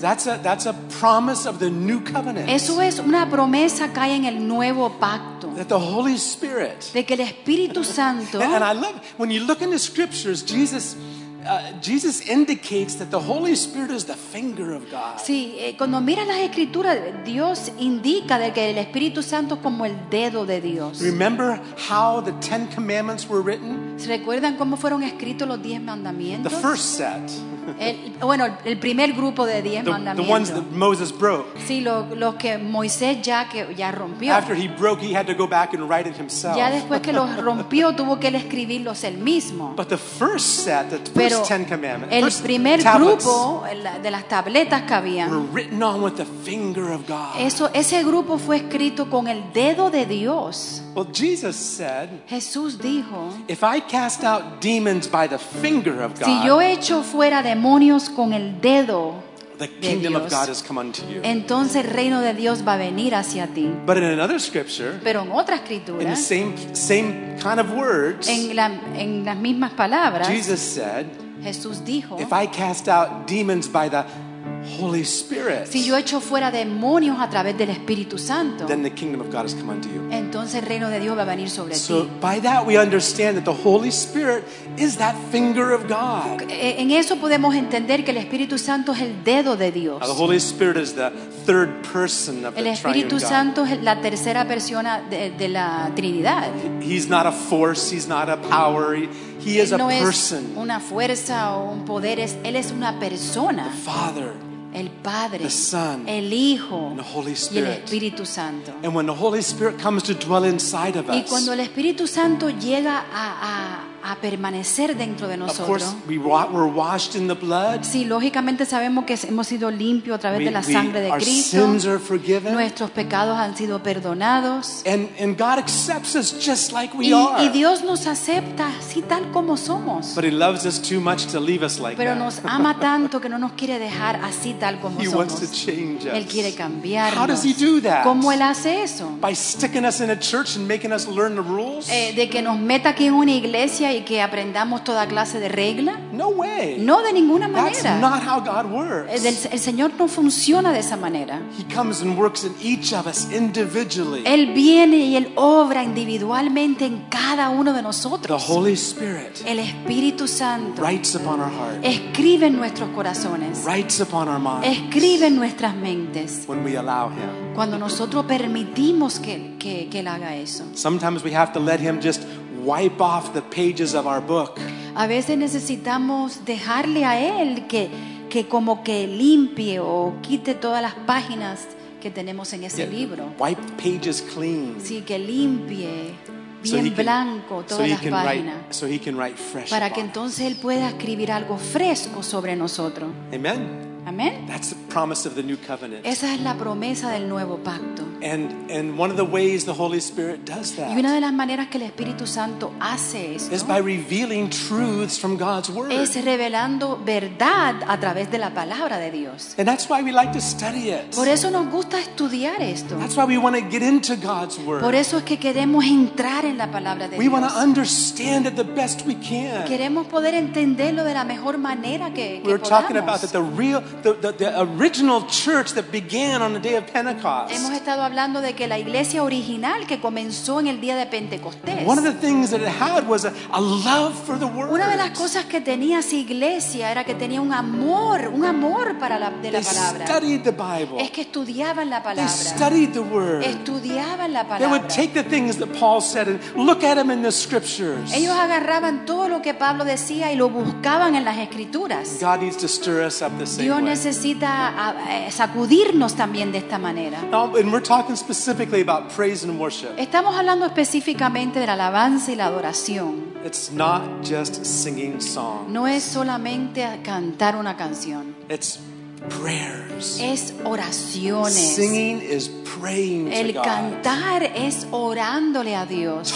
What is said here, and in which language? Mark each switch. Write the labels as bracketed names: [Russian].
[English] That's a promise of the new covenant. [Spanish] Eso es una promesa que hay en el nuevo pacto. [English] That the Holy Spirit. [Spanish] De que el Espíritu Santo. [English] And I love when you look in the scriptures, Jesus indicates that the Holy Spirit is the finger of God. [Spanish] Sí, cuando miras las escrituras, Dios indica de que el Espíritu Santo es como el dedo de Dios. [English] Remember how the Ten Commandments were written? [Spanish] ¿Se recuerdan cómo fueron escritos los diez mandamientos? [English] The first set. [Spanish] El primer grupo de diez mandamientos. [English] The ones that Moses broke. [Spanish] Sí, los que Moisés ya rompió. [English] After he broke, he had to go back and write it himself. [Spanish] Ya después que los rompió, tuvo que escribirlos él mismo. [English] But the first set, the first Ten Commandments, [Spanish] el primer grupo de las tabletas que había, [English] were written on with the finger of God. [Spanish] Ese grupo fue escrito con el dedo de Dios. [English] Well, Jesus said, [Spanish] Jesús dijo, [English] if I cast out demons by the finger of God, [Spanish] si yo echo fuera demonios con el dedo [English] the kingdom [Spanish] de Dios, [English] of God has come unto you. [Spanish] Entonces el reino de Dios va a venir hacia ti. [English] But in another scripture, [Spanish] pero en otra escritura, [English] in the same kind of words, [Spanish] en las mismas palabras, [English] Jesus said, [Spanish] Jesús dijo, [English] if I cast out demons by the Holy Spirit, [Spanish] si yo echo fuera demonios a través del Espíritu Santo, [English] then the kingdom of God has come unto you. [Spanish] Entonces el reino de Dios va a venir sobre [English] so [Spanish] ti. [English] By that we understand that the Holy Spirit is that finger of God. [Spanish] En eso podemos entender que el Espíritu Santo es el dedo de Dios. [English] Now the Holy Spirit is the third person of [Spanish] el Espíritu [English] the [Spanish] Santo [English] God. [Spanish] Es la tercera persona de la Trinidad. [English] He's not a force, he's not a power. He is [Spanish] no [English] a person. [Spanish] Es una fuerza o un poder, él es una persona. [English] The Father, [Spanish] el Padre, [English] the Son, [Spanish] el Hijo, [English] and the Holy Spirit. [Spanish] Y el Espíritu Santo. [English] And when the Holy Spirit comes to dwell inside of us, [Spanish] y cuando el Espíritu Santo llega a permanecer dentro de nosotros. [English] Of course, we're washed in the blood. [Spanish] Sí, lógicamente sabemos que hemos sido limpios a través de la sangre de Cristo. [English] Our sins are forgiven. [Spanish] Nuestros pecados han sido perdonados. [English] And God accepts us just like we are. [Spanish] Y Dios nos acepta así tal como somos. [English] But he loves us too much to leave us like [Spanish] pero [English] that. [Spanish] Pero nos ama tanto que no nos quiere dejar así tal como [English] he [Spanish] somos. [English] He wants to change us. [Spanish] Él quiere cambiarnos. [English] How does he do that? [Spanish] ¿Cómo él hace eso? [English] By sticking us in a church and making us learn the rules? [Spanish] De que nos meta aquí en una iglesia y que aprendamos toda clase de regla. [English] No way. [Spanish] No de ninguna manera. [English] That's not how God works. [Spanish] El Señor no funciona de esa manera. [English] He comes and works in each of us individually. [Spanish] Él viene y él obra individualmente en cada uno de nosotros. [English] The Holy Spirit. [Spanish] El Espíritu Santo. [English] Writes upon our heart. [Spanish] Escribe en nuestros corazones. [English] Writes upon our minds. [Spanish] Escribe en nuestras mentes. [English] When we allow him. [Spanish] Cuando nosotros permitimos que él haga eso. [English] Sometimes we have to let him just wipe off the pages of our book. [Spanish] A veces necesitamos dejarle a él que como que limpie o quite todas las páginas que tenemos en ese libro. [English] Wipe pages clean. [Spanish] Sí, que limpie bien blanco todas las páginas. [English] So he can write fresh. [Spanish] Para que entonces él pueda escribir algo fresco sobre nosotros. [English] Amen. [Spanish] Amen. [English] That's the promise of the new covenant. [Spanish] Esa es la promesa del nuevo pacto. [English] And one of the ways the Holy Spirit does that. [Spanish] Y una de las maneras que el Espíritu Santo hace esto. [English] Is by revealing truths from God's word. [Spanish] Es revelando verdad a través de la palabra de Dios. [English] And that's why we like to study it. [Spanish] Por eso nos gusta estudiar esto. [English] That's why we want to get into God's word. [Spanish] Por eso es que queremos entrar en la palabra de [English] Dios. We want to understand it the best we can. [Spanish] Queremos poder entenderlo de la mejor manera que podamos. [English] We're talking about that the original church that began on the day of Pentecost. [Spanish] Hemos estado hablando de que la iglesia original que comenzó en el día de Pentecostés. [English] One of the things that it had was a love for the word. [Spanish] Una de las cosas que tenía esa iglesia era que tenía un amor para la palabra. [English] They studied the Bible. [Spanish] Es que estudiaban la palabra. [English] They studied the word. [Spanish] Estudiaban la palabra. [English] They would take the things that Paul said and look at them in the scriptures. [Spanish] Ellos agarraban todo lo que Pablo decía y lo buscaban en las escrituras. [English] God needs to stir us up the same. [Spanish] Dios necesita sacudirnos también de esta manera. [English] And we're talking specifically about praise and worship. [Spanish] Estamos hablando específicamente de la alabanza y la adoración. [English] It's not just singing songs. [Spanish] No es solamente cantar una canción. [English] It's prayers. [Spanish] Es oraciones. [English] Singing is praying to God. [Spanish] El cantar es orándole a Dios.